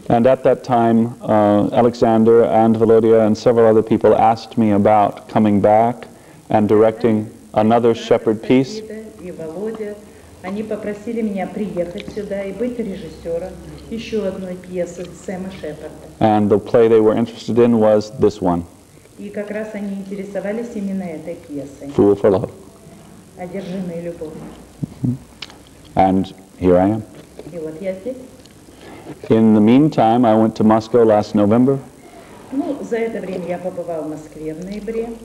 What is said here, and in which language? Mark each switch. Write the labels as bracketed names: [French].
[English] And at that time, Alexander and Володя and several other people asked me about coming back and directing another Shepherd piece. [Russian] И Володя, они попросили меня приехать сюда и быть режиссером. Еще одной пьесы Сэма Шепарда. [English] And the play they were interested in was this one. [Russian] И как раз они интересовались именно этой пьесой. [English] Fool for Love. [Russian] Одержимые любовью. [English] And here I am. [Russian] И вот я здесь. [English] In the meantime, I went to Moscow last November. [Russian] Ну, за это время я побывал в Москве в ноябре.